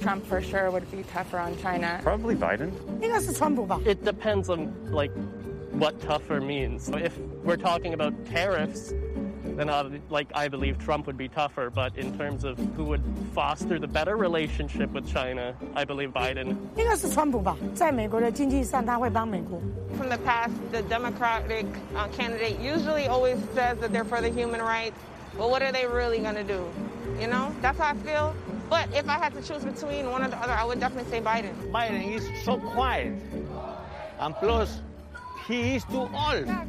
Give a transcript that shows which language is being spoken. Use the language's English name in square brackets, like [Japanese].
[English] Trump for sure would be tougher on China. Probably Biden. He has a Trump over. It depends on, like, what tougher means. If we're talking about tariffs,then I believe Trump would be tougher, but in terms of who would foster the better relationship with China, I believe Biden. [Chinese] 应该是川普吧，在美国的经济上他会帮美国。 [English] From the past, the Democratic candidate usually always says that they're for the human rights, but what are they really going to do? You know, that's how I feel. But if I had to choose between one or the other, I would definitely say Biden. Biden, he's so quiet. And plus, he is too old.